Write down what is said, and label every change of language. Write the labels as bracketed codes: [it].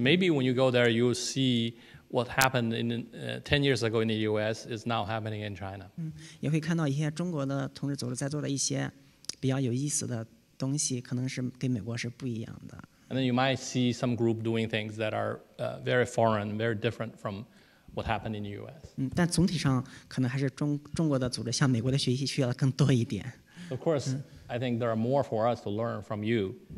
[en] maybe when you go there, you will see what happened in 10 years ago in the U.S. is now happening in China. [zh] 也会看到一些中国的同志组织在做的一些比较有意思的东西，可能是跟美国是不一样的。 [en] And then you might see some group doing things that are very foreign, very different from what happened in the U.S. [zh] 但总体上可能还是中国的组织向美国的学习需要更多一点。 [en] Of course, I think there are more for us to learn from you.